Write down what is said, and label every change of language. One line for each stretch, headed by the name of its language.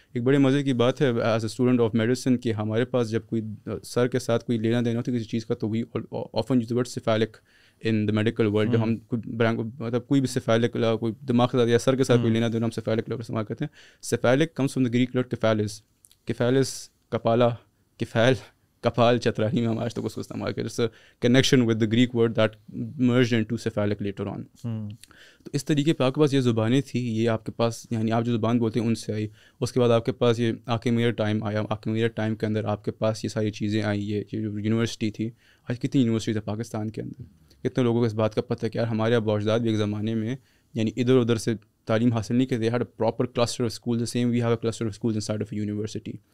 Urdu: ایک بڑے مزے کی بات ہے
English: as a student of medicine,
Urdu: کہ ہمارے پاس جب کوئی سر کے ساتھ کوئی لینا دینا ہوتا ہے کسی چیز کا، تو
English: We often use the word cephalic in the medical world.
Urdu: جو ہم مطلب کوئی بھی سیفالک، کوئی دماغ کے ساتھ یا سر کے ساتھ کوئی لینا دینا، ہم سیفالک لفظ استعمال کرتے ہیں.
English: Cephalic comes from the Greek word kephalos.
Urdu: کیفالس کپالا، کیفال کپال، Chitrali میں ہم آج تک اس کو استعمال کرتے ہیں.
English: Connection with the Greek word that merged into cephalic later on.
Urdu: تو اس طریقے پہ آپ کے پاس یہ زبانیں تھیں، یہ آپ کے پاس یعنی آپ جو زبان بولتے ہیں ان سے آئی. اس کے بعد آپ کے پاس یہ آکیمیر ٹائم آیا. آکیمیر ٹائم کے اندر آپ کے پاس یہ ساری چیزیں آئیں. یہ جو یونیورسٹی تھی، آج کتنی یونیورسٹیز ہیں پاکستان کے اندر؟ کتنے لوگوں کو اس بات کا پتہ ہے کہ یار ہمارے ابا اجداد بھی ایک زمانے میں یعنی ادھر ادھر سے تعلیم حاصل نہیں کرتے،
English: Had a proper cluster of school, same we have a cluster of school inside of university.